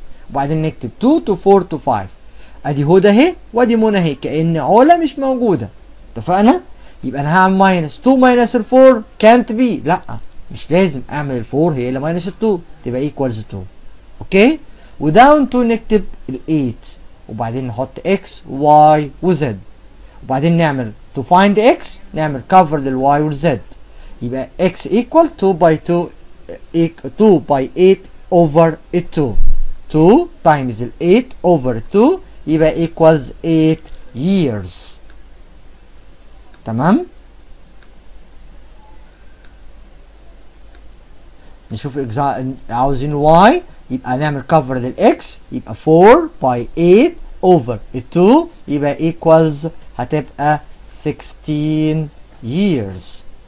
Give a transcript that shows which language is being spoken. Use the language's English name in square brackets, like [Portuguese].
[Arabic] وبعدين نكتب 2 to 4 to 5. ادي هدى اهي وادي منى اهي، كان علا مش موجوده. اتفقنا؟ يبقى انا هعمل [English] minus 2 minus 4 can't be. [Arabic] لا، مش لازم اعمل 4 هي اللي minus 2 تبقى equals 2. اوكي؟ وداون 2 نكتب ال 8، وبعدين نحط x y وz. وبعدين نعمل [English] to find x نعمل cover لل y وال z، يبقى x equal 2 by 2 2 by 8 over 2. 2 times 8 over 2 يبقى equals 8 years. تمام؟ نشوف عاوزين الواي يبقى نعمل كفر للاكس يبقى 4 باي 8 اوفر 2 يبقى ايكوالز هتبقى 16 years.